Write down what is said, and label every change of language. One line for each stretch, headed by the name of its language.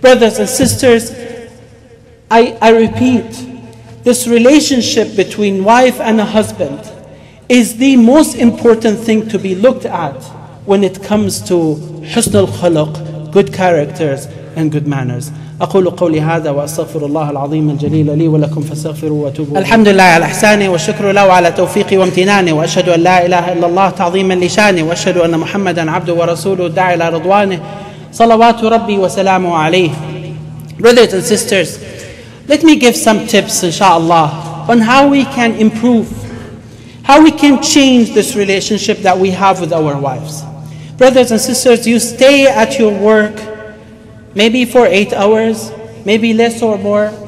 English: Brothers and sisters, I repeat, this relationship between wife and a husband is the most important thing to be looked at when it comes to
Arabic: حسن الخلق,
English: good characters and good manners.
Arabic: أقول قولي هذا وأستغفر الله العظيم الجليل لي ولكم فاستغفروا وتوبوا. الحمد لله على إحساني والشكر له على توفيقي وامتناني, وأشهد أن لا إله إلا الله تعظيما لشاني, وأشهد أن محمدا عبده ورسوله الداعي إلى رضوانه صلوات ربي وسلامه عليه.
English: Brothers and sisters, let me give some tips inshallah on how we can improve, how we can change this relationship that we have with our wives. Brothers and sisters, you stay at your work maybe for 8 hours, maybe less or more.